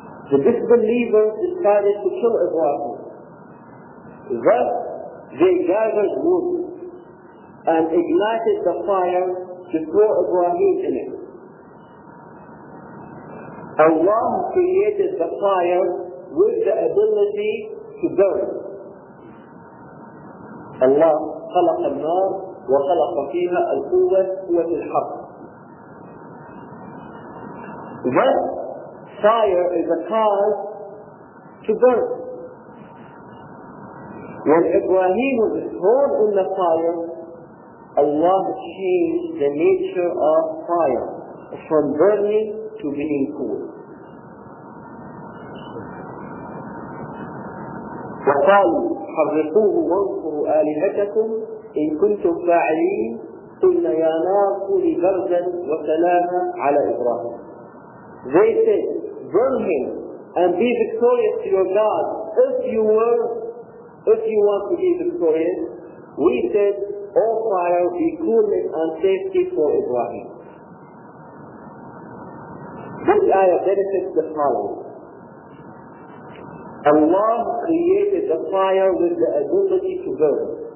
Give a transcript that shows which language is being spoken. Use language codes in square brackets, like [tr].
[en] The disbelievers decided to kill Ibrahim. Thus, they gathered wood and ignited the fire to throw Ibrahim in it. Allah created the fire with the ability to burn. Allah [ar] خلق النار وخلق فيها القوة قوة الحرب. [en] Thus, fire is a cause to burn. When Ibrahim was thrown in the fire, Allah changed the nature of fire from burning to being cool. [ar] وقالوا حرقوه وانصروا آلهتكم إن كنتم فاعلين قلنا يا نار كوني بردا وسلاما على إبراهيم. [en] They said, burn him and be victorious to your God if you want to be victorious. We said, all fire be coolness and safety for Ibrahim. This ayah benefits the following. Allah created the fire with the ability to burn.